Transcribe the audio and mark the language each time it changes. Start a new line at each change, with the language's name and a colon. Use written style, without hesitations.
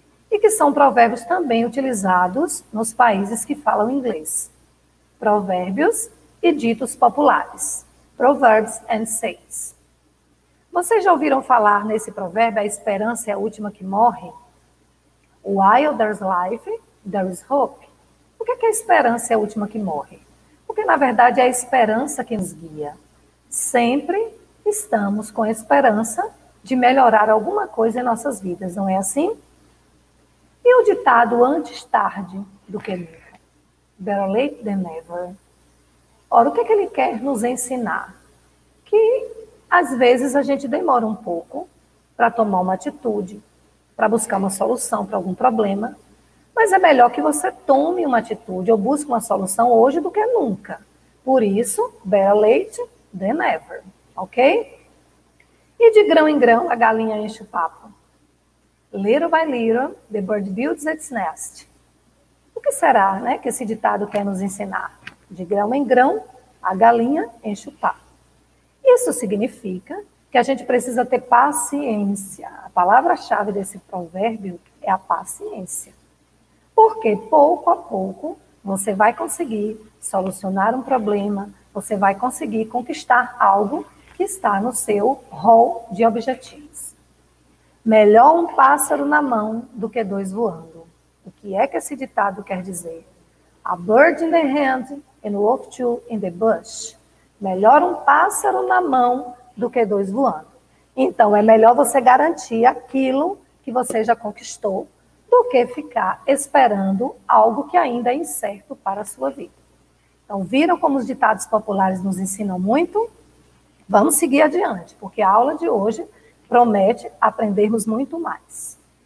Portuguese: E que são provérbios também utilizados nos países que falam inglês. Provérbios e ditos populares.
English: Proverbs and sayings.
Portuguese: Vocês já ouviram falar nesse provérbio, a esperança é a última que morre?
English: While there's life, there is hope.
Portuguese: O que é que a esperança é a última que morre? Porque, na verdade, é a esperança que nos guia. Sempre estamos com a esperança de melhorar alguma coisa em nossas vidas, não é assim? E o ditado antes tarde do que nunca?
English: Better late than never.
Portuguese: Ora, o que é que ele quer nos ensinar? Que, às vezes, a gente demora um pouco para tomar uma atitude, para buscar uma solução para algum problema, Mas é melhor que você tome uma atitude ou busque uma solução hoje do que nunca. Por isso,
English: better late than never,
Portuguese: ok? E de grão em grão, a galinha enche o papo.
English: Little by little, the bird builds its nest.
Portuguese: O que será, né, que esse ditado quer nos ensinar? De grão em grão, a galinha enche o papo. Isso significa que a gente precisa ter paciência. A palavra-chave desse provérbio é a paciência. Porque pouco a pouco você vai conseguir solucionar um problema, você vai conseguir conquistar algo que está no seu rol de objetivos. Melhor um pássaro na mão do que dois voando. O que é que esse ditado quer dizer?
English: A bird in the hand and wolf two in the bush.
Portuguese: Melhor um pássaro na mão do que dois voando. Então é melhor você garantir aquilo que você já conquistou do que ficar esperando algo que ainda é incerto para a sua vida. Então, viram como os ditados populares nos ensinam muito? Vamos seguir adiante, porque a aula de hoje promete aprendermos muito mais.